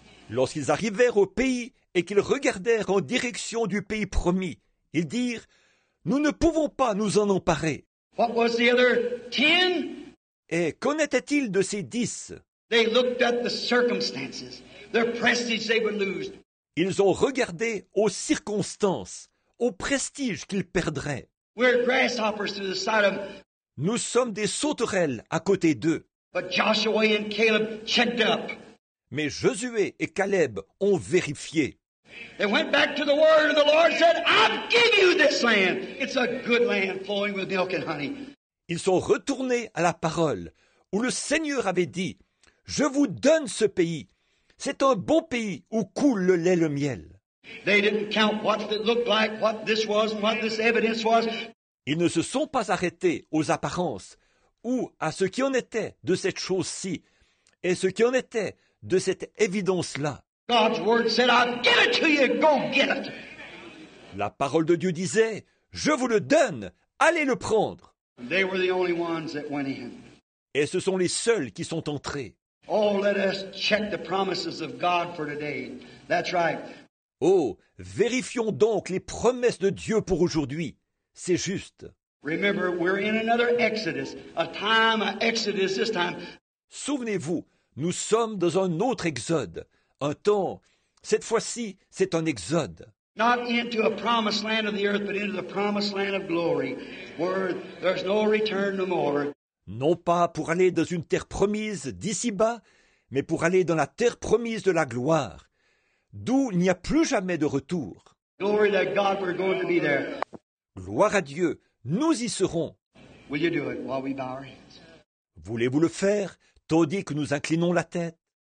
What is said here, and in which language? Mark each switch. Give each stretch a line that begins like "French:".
French: Lorsqu'ils arrivèrent au pays et qu'ils regardèrent en direction du pays promis, ils dirent, nous ne pouvons pas nous en emparer.
English: What was the other 10?
French: Et qu'en était-il de ces 10?
English: They looked at the circumstances, their prestige they would lose.
French: Ils ont regardé aux circonstances, au prestige qu'ils perdraient.
English: We're grasshoppers to the side of.
French: Nous sommes des sauterelles à côté d'eux.
English: But Joshua and Caleb checked up.
French: Mais Josué et Caleb ont vérifié.
English: They went back to the word and the Lord said, I've given you this land. It's a good land flowing with milk and honey.
French: Ils sont retournés à la parole où le Seigneur avait dit, je vous donne ce pays. C'est un bon pays où coule le lait et le miel.
English: They didn't count what it looked like, what this was, and what this evidence was.
French: Ils ne se sont pas arrêtés aux apparences ou à ce qui en était de cette chose-ci et ce qui en était de cette évidence-là.
English: God's word said, I'll give it to you, go get it.
French: La parole de Dieu disait, je vous le donne, allez le prendre.
English: They were the only ones that went in.
French: Et ce sont les seuls qui sont entrés.
English: Oh, let us check the promises of God for today. That's right.
French: Oh, vérifions donc les promesses de Dieu pour aujourd'hui. C'est juste.
English: Remember, we're in another exodus, a time of exodus this time.
French: Souvenez-vous, nous sommes dans un autre exode. Un temps, cette fois-ci, c'est un exode.
English: Not into a promised land of the earth, but into the promised land of glory, where there's no return no more.
French: Non pas pour aller dans une terre promise d'ici-bas, mais pour aller dans la terre promise de la gloire, d'où il n'y a plus jamais de retour.
English: Glory to God, we're going to be there.
French: Gloire à Dieu, nous y serons.
English: Will you do it while we bow our heads?
French: Voulez-vous le faire, tandis que nous inclinons la tête?